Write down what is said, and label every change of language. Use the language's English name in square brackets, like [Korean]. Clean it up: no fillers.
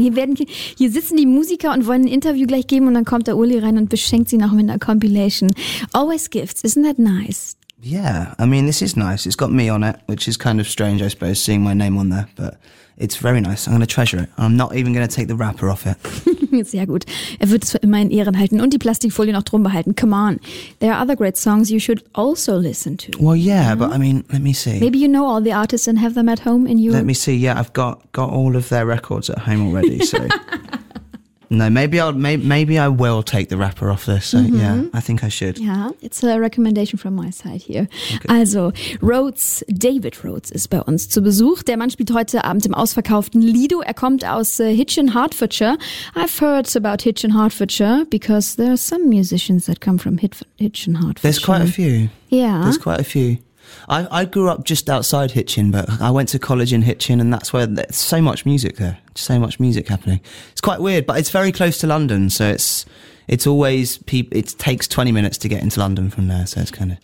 [German] Hier sitzen die Musiker und wollen ein Interview gleich geben und dann kommt der Uli rein und beschenkt sie noch mit einer Compilation. [English] Always gifts, isn't that nice? Yeah, I mean, this is nice. It's got me on it, which is kind of strange, I suppose, seeing my name on there. But it's very nice. I'm going to treasure it. I'm not even going to take the wrapper off it. [German] Sehr gut. Er wird es für immer in Ehren halten und die Plastikfolie noch drum behalten. [English] Come on. There are other great songs you should also listen to. Well, yeah, but I mean, let me see. Maybe you know all the artists and have them at home in Europe. Let me see. Yeah, I've got all of their records at home already, so... No, maybe I will take the wrapper off this. So, mm-hmm. Yeah, I think I should. Yeah, it's a recommendation from my side here. Okay. [German] Also, David Rhodes ist bei uns zu Besuch. Der Mann spielt heute Abend im ausverkauften Lido. Er kommt aus Hitchin, Hertfordshire. [English] I've heard about Hitchin, Hertfordshire, because there are some musicians that come from Hitchin, Hertfordshire. There's quite a few. Yeah. There's quite a few. I grew up just outside Hitchin, but I went to college in Hitchin, and that's where there's so much music there. So much music happening. It's quite weird, but it's very close to London, so it takes 20 minutes to get into London from there, so it's kind of...